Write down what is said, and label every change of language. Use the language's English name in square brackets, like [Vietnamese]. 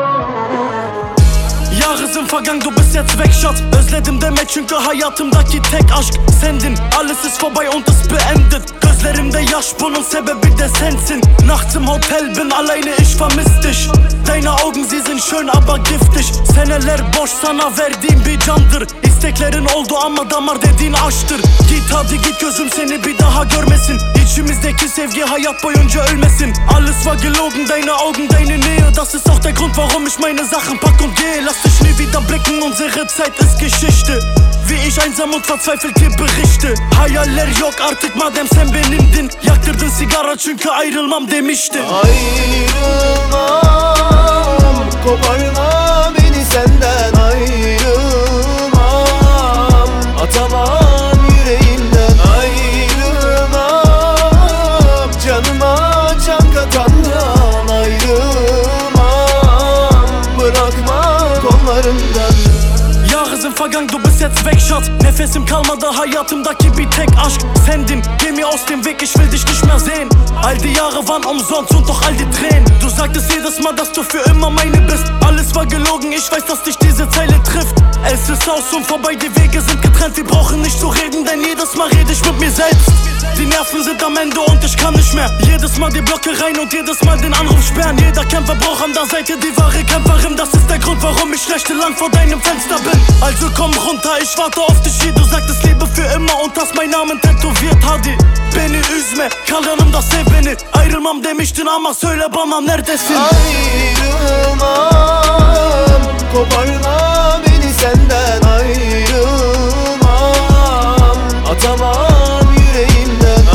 [German] kafa gang du bist jetzt weg Schatz. [Turkish] Özledim deme çünkü hayatımdaki tek aşk sendin. [German] Alles ist vorbei und es beendet. [Turkish] Gözlerimde yaş bunun sebebi de sensin. [German] Nachts im Hotel bin alleine ich vermiss dich. Deine Augen sie sind schön aber giftig. [Turkish] Seneler boş sana verdiğim bir candır. İsteklerin oldu ama damar dediğin aştır. Git hadi git gözüm seni bir daha görmesin. İçimizdeki sevgi hayat boyunca ölmesin. [German] Alles war gelogen, deine Augen, deine Nähe. Das ist auch der Grund warum ich meine Sachen pack und gehe. Lass dich nie wieder blicken, unsere Zeit ist Geschichte. Wie ich einsam und verzweifelt dir berichte. [Turkish] Hayaller yok artık madem sen benimdin. Yaktırdın sigara çünkü ayrılmam demiştin. Ayrılmam, koparma beni senden. Ayrılmam, atamam yüreğimden. Ayrılmam, canıma can katandan. Ayrılmam, bırakma kollarından. [German] Yağızın fagang du bist jetzt weg Schatz. [Turkish] Nefesim kalmadı hayatımdaki bir tek aşk sendin. [German] Geh mir aus dem Weg, ich will dich nicht mehr sehen. All die Jahre waren umsonst und doch all die Tränen. Du sagtest jedes Mal, dass du für immer meine bist. Alles war gelogen, ich weiß, dass dich diese Zeile trifft. Es ist aus und vorbei, die Wege sind getrennt. Wir brauchen nicht zu reden, denn jedes Mal rede ich mit mir selbst. Die Nerven sind am Ende und ich kann nicht mehr. Jedes Mal die Blöcke rein und jedes Mal den Anruf sperren. Jeder Kämpfer braucht an der Seite die wahre Kämpferin. Das ist der Grund, warum ich schlechte lang vor deinem Fenster bin. Also komm runter, ich warte auf dich hier. Du sagtest lebe für immer und hast meinen Namen tätowiert. [Turkish] Hadi beni üzme, kalanımda sev beni. Ayrılmam demiştin ama söyle bana neredesin. Ayrılmam, koparma beni senden. Ayrılmam, atamam yüreğimden.